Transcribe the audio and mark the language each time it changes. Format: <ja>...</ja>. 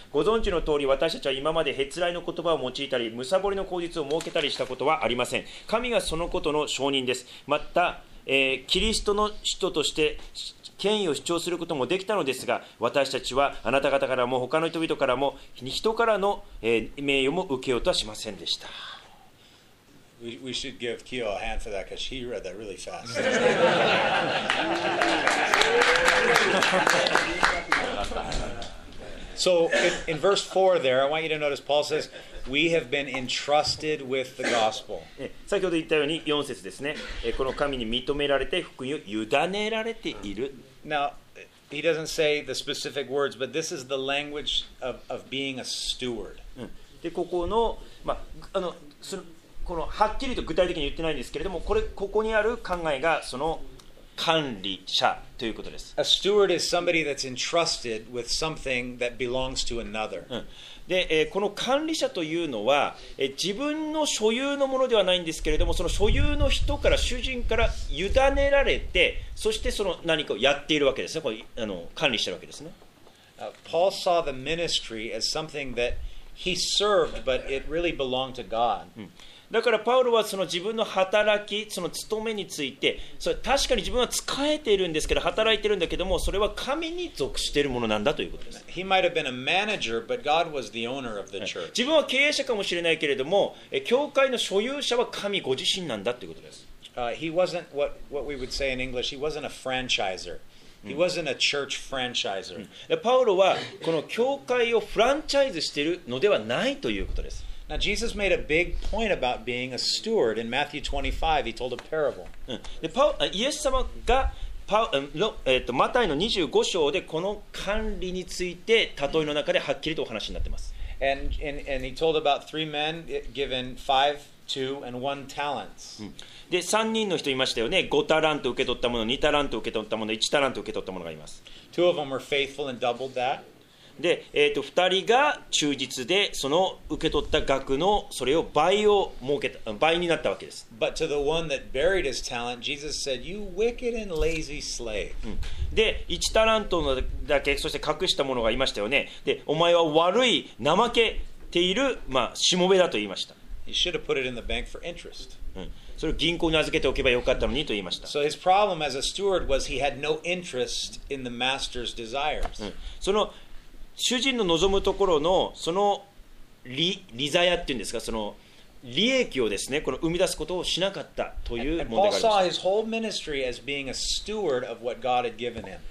<ja>ご存知の通り、私たちは今までへつらいの言葉を用いたり、むさぼりの口実を設けたりしたことはありません。神がそのことの証人です。また、キリストの使徒として権威を主張することもできたのですが、私たちはあなた方からも他の人々からも人からの、名誉も受けようとはしませんでした。</ja> <en>We should give Keo a hand for that, because he read that really fast. So in verse 4 there, I want you to notice Paul says, we have been entrusted with the gospel.</en> <ja>先ほど言ったように4節ですね。この神に認められて福音を委ねられている。</ja> <en>Now, he doesn't say the specific words, but this is the language of being a steward.</en> <ja>で、ここの、まあ、あの、その、このはっきりと具体的に言ってないんですけれども、これここにある考えがその管理者ということです。</ja> <en>A steward is somebody that's entrusted with something that belongs to another.</en> <ja>で、この管理者というのは、自分の所有のものではないんですけれども、その所有の人から主人から委ねられて、そしてその何かをやっているわけですね。これあの管理してるわけですね。</ja> <en>Paul saw the ministry as something that he served, but it really belonged to God.</en> <ja>だからパウロはその自分の働き、その務めについて、それ確かに自分は仕えているんですけど、働いているんだけども、それは神に属しているものなんだということです。</ja> <en>He might have been a manager, but God was the owner of the church.</en> <ja>自分は経営者かもしれないけれども、教会の所有者は神ご自身なんだということです。</ja> <en>He wasn't what we would say in English, he wasn't a franchiser. He wasn't a church franchiser.</en> <ja>パウロはこの教会をフランチャイズしているのではないということです。</ja> <en>Now Jesus made a big point about being a steward in Matthew 25. He told a parable.</en> <ja>で、パウ、イエス様がパウ、の、マタイの25章でこの管理について例えの中ではっきりとお話になってます。</ja> <en>And he told about three men given five, two, and one talents.</en> <ja>で、3人の人いましたよね。5タラント受け取ったもの、2タラント受け取ったもの、1タラント受け取ったものがいます。</ja> <en>Two of them were faithful and doubled that.</en> <ja>で、2人が忠実で、その受け取った額のそれを倍を設けた、倍になったわけです。</ja> <en>But to the one that buried his talent, Jesus said, "You wicked and lazy slave."</en> <ja>で、1タラントのだけ、そして隠したものがいましたよね。で、お前は悪い、怠けている、まあ、しもべだと言いました。</ja> <en>He should have put it in the bank for interest.</en> <ja>それを銀行に預けておけばよかったのにと言いました。</ja> <en>So his problem as a steward was he had no interest in the master's desires.</en> <ja>その主人の望むところのその利ざやっていうんですか、その利益をですね、この生み出すことをしなかったという問題があります。</ja>